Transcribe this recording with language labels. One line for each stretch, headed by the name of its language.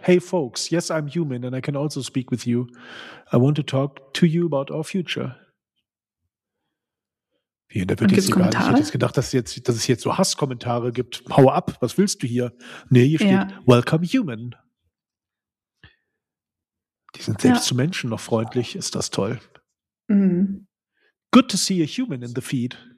English: Hey folks, yes, I'm human and I can also speak with you. I want to talk to you about our future.
German: Hier, da wird jetzt egal. Ich hätte jetzt gedacht, dass es jetzt so Hasskommentare gibt. Hau ab, was willst du hier? Nee, hier steht,
English: welcome human.
German: Die sind selbst zu Menschen noch freundlich, ist das toll. Mhm.
English: Good to see a human in the feed.